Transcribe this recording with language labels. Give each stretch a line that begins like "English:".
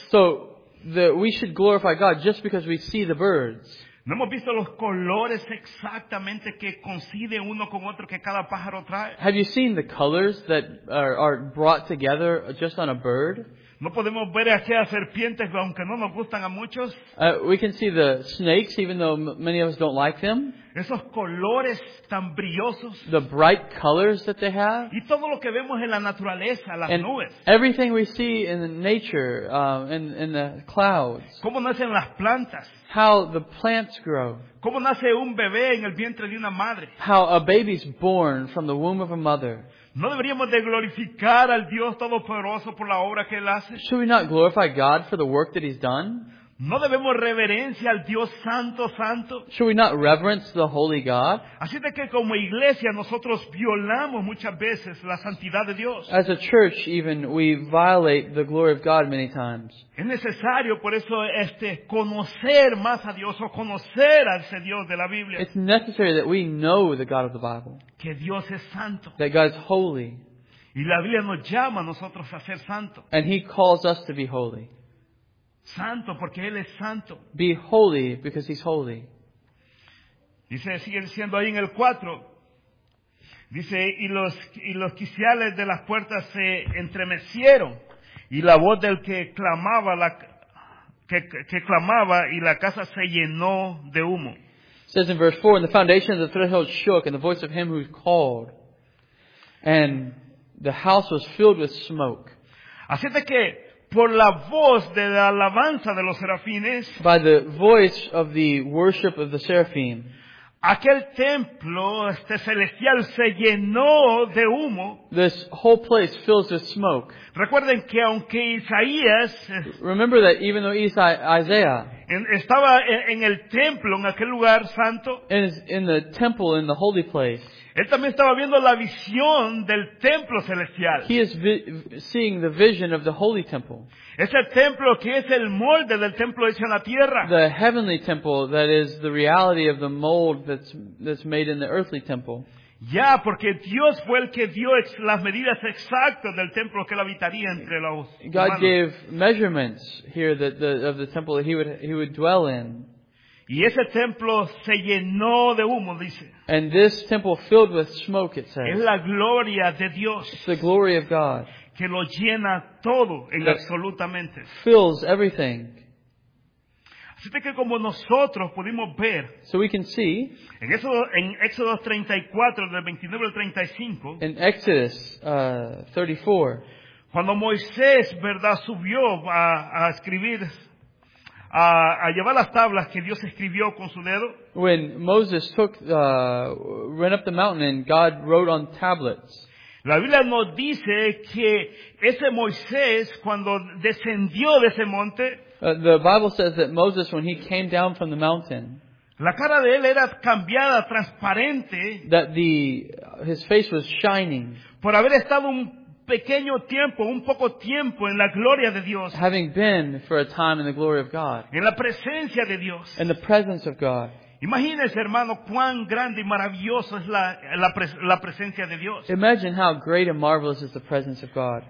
English: So that we should glorify God just because we see the birds.
Spanish: No hemos visto los colores exactamente que coincide uno con otro que cada pájaro trae.
English: Have you seen the colors that are brought together just on a bird?
Spanish: No podemos ver aquellas serpientes aunque no nos gustan a muchos.
English: We can see the snakes even though many of us don't like them.
Spanish: Esos colores tan brillosos.
English: The bright colors that they have.
Spanish: Y todo lo que vemos en la naturaleza, las
English: and
Spanish: nubes.
English: Everything we see in the nature, in the clouds.
Spanish: ¿Cómo nacen las plantas?
English: How the plants grow.
Spanish: ¿Cómo nace un bebé en el vientre de una madre?
English: How a baby is born from the womb of a mother.
Spanish: ¿No deberíamos de glorificar al Dios Todopoderoso por la obra que Él hace?
English: Should we not glorify God for the work that He's done?
Spanish: ¿No debemos reverencia al Dios Santo, Santo?
English: Should we not reverence the Holy God?
Spanish: Así de que como iglesia nosotros violamos muchas veces la santidad de Dios.
English: As a church even, we violate the glory of God many times.
Spanish: Es necesario por eso conocer más a Dios o conocer a ese Dios de la Biblia.
English: It's necessary that we know the God of the Bible.
Spanish: Que Dios es santo.
English: That God is holy.
Spanish: Y la Biblia nos llama a nosotros a ser santo.
English: And He calls us to be holy.
Spanish: Santo porque Él es santo.
English: Be holy because He's holy.
Spanish: Dice, sigue diciendo ahí en el 4. Dice, y los quiciales de las puertas se entremecieron. Y la voz del que clamaba, clamaba y la casa se llenó de humo.
English: It says in verse 4, and the foundation of the threshold shook, and the voice of him who called, and the house was filled with smoke.
Spanish: Así de que, por la voz de la alabanza de los serafines,
English: by the voice of the worship of the seraphim,
Spanish: aquel templo celestial se llenó de humo.
English: This whole place fills with smoke.
Spanish: Recuerden que aunque Isaías,
English: remember that even though Isaiah
Spanish: estaba en el templo, en aquel lugar santo,
English: in the temple, in the holy place,
Spanish: él también estaba viendo la visión del templo celestial.
English: He is seeing the vision of the holy temple.
Spanish: Ese templo que es el molde del templo hecho en la tierra.
English: The heavenly temple that is the reality of the mold that's made in the earthly temple.
Spanish: Ya, porque Dios fue el que dio las medidas exactas del templo que él habitaría entre los humanos.
English: God gave measurements here of the temple that he would dwell in.
Spanish: Y ese templo se llenó de humo, dice.
English: And this temple filled with smoke, it says.
Spanish: Es la gloria de Dios.
English: It's the glory of God.
Spanish: Que lo llena todo en absolutamente.
English: Fills everything.
Spanish: Así que como nosotros pudimos ver,
English: so we can see,
Spanish: en Éxodo 34, del 29 al 35,
English: in Exodus 34,
Spanish: cuando Moisés, verdad, subió a escribir, a llevar las tablas que Dios escribió con su dedo,
English: when Moses went up the mountain and God wrote on tablets,
Spanish: la Biblia nos dice que ese Moisés, cuando descendió de ese monte,
English: The Bible says that Moses, when he came down from the mountain,
Spanish: la cara de él era cambiada, transparente,
English: that his face was shining,
Spanish: por haber estado un pequeño tiempo, un poco tiempo en la gloria de Dios,
English: having been for a time in the glory of God,
Spanish: en la presencia de Dios,
English: in the presence of God.
Spanish: Imagínese, hermano, cuán grande y maravilloso es la presencia de Dios.
English: Imagine how great and marvelous is the presence of God.